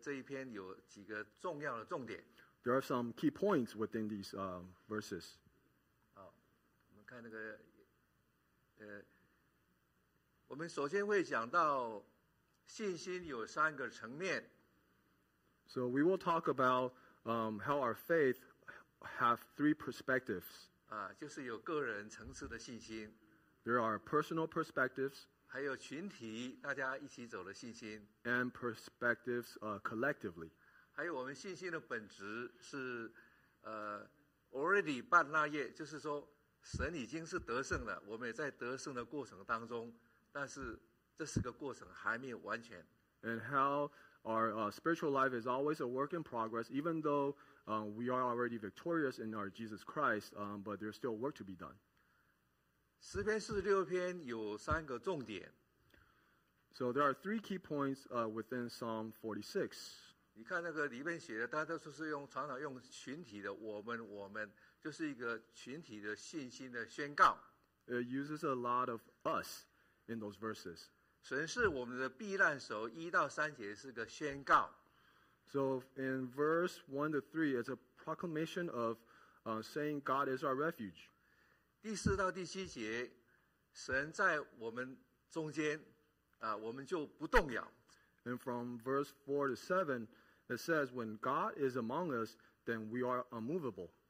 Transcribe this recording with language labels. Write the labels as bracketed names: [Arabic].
[Chinese] 这一篇有几个重要的重点. [English] There are some key points within these verses. [Chinese] 好,我们看那个, 我们首先会讲到信心有三个层面。 [English] So we will talk about how our faith have three perspectives. [Chinese] 就是有个人层次的信心, [English] there are personal perspectives, [Chinese] 还有群体, [English] and perspectives collectively. [Chinese] 还有我们信心的本质是, [English] already, but not yet, [Chinese] 就是说神已经是得胜了, 我们也在得胜的过程当中, 但是这是个过程还没有完全。 [English] And how our spiritual life is always a work in progress, even though we are already victorious in our Jesus Christ, but there's still work to be done. [Chinese] 诗篇46篇有三个重点. [English] So there are three key points within Psalm 46. [Chinese] 你看那个里面写的, 大家都是用常常用群体的, 我们, 我们, 就是一个群体的信心的宣告. [English] It uses a lot of us in those verses. [Chinese] 神是我们的避难所, 1到3节是个宣告。 [English] So in verse 1 to 3, it's a proclamation of saying God is our refuge. [Chinese] 第4到第7节, 神在我们中间, 我们就不动摇。 [English] And from verse 4 to 7, it says when God is among us, then we are unmovable.